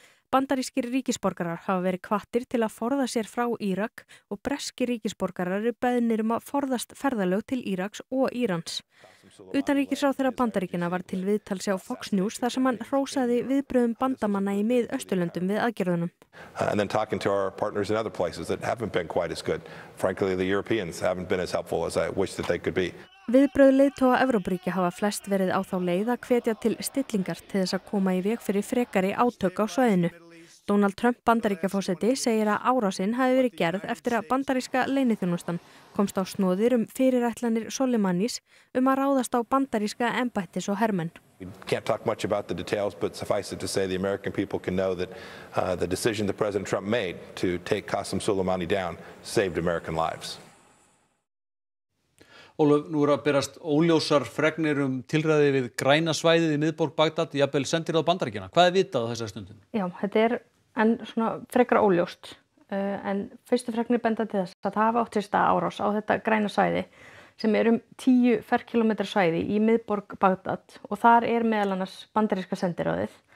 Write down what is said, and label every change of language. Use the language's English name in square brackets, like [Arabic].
[Icelandic] Bandarískir ríkisborgarar hafa verið kvattir til að forða sér frá Írak og breskir ríkisborgarar eru beðnir að forðast ferðalög til Íraks og Írans. Utanríkisráðherra Bandaríkjanna var til viðtals á Fox News þar sem hann hrósaði viðbrögðum bandamanna í Miðausturlöndum við aðgerðunum. [English] And then talking to our partners in other places that haven't been quite as good. Frankly, the Europeans haven't been as helpful as I wish that they could be. [Icelandic] Viðbrögð leiðtoga Evrópuríkja hafa flest verið á þá leið að hvetja til stillingar til þess að koma í veg fyrir frekari átök á svæðinu. Donald Trump Bandaríkjaforseti segir að árásin hafi verið gerð eftir að bandaríska leyniþjónustan komst á snoðir fyrirætlanir Soleimanis að ráðast á bandaríska embættis og hermenn. [English] We can't talk much about the details, but suffice it to say the American people can know that the decision that President Trump made to take Qasem Soleimani down saved American lives. [Icelandic] Ólöf, nú að berast óljósar fregnir tilræði við græna svæðið í miðborg Bagdad, jafnvel sendir á Bandaríkjana. Hvað vitað á þessa stundum? Já, þetta en svona frekar óljóst. En fyrstu fregnir benda til þess að það hafa átt sér stað árás á þetta græna svæði sem 10 ferkilometra svæði í miðborg Bagdad og þar meðal annars bandaríska sendiráðið